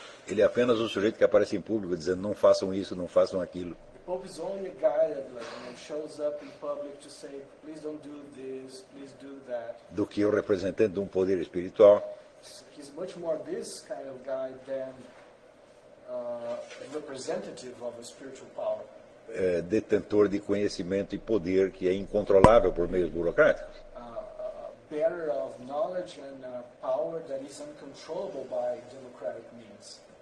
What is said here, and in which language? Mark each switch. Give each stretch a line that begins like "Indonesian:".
Portuguese: Ele é apenas um sujeito que aparece em público dizendo não façam isso, não façam aquilo.
English: Pope is only a guy that shows up in public to say, please don't do this, please do that.
Portuguese: Do que o representante de um poder espiritual.
English: He's much more this kind of guy than a representative of a spiritual power.
Portuguese: Detentor de conhecimento e poder que é incontrolável por meios burocráticos.
English: Bearer of knowledge and power that is uncontrollable by democratic means.